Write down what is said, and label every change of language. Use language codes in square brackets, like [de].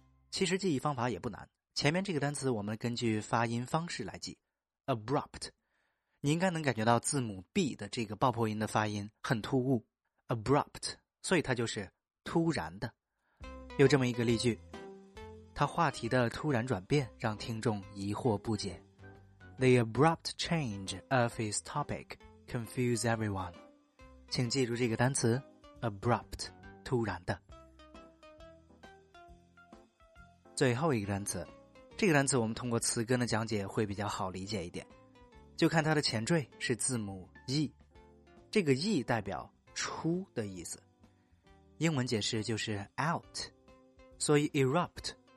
[zh] 其实记忆方法也不难，前面这个单词我们根据发音方式来记， abrupt， 你应该能感觉到字母 b 的这个爆破音的发音很突兀， abrupt， 所以它就是突然的。有这么一个例句，他话题的突然转变让听众疑惑不解。 [en] The abrupt change of his topic confused everyone. [zh] 请记住这个单词 abrupt， 突然的。最后一个单词，这个单词我们通过词根的讲解会比较好理解一点。就看它的前缀是字母 e， 这个 e 代表出的意思，英文解释就是 out， 所以 erupt。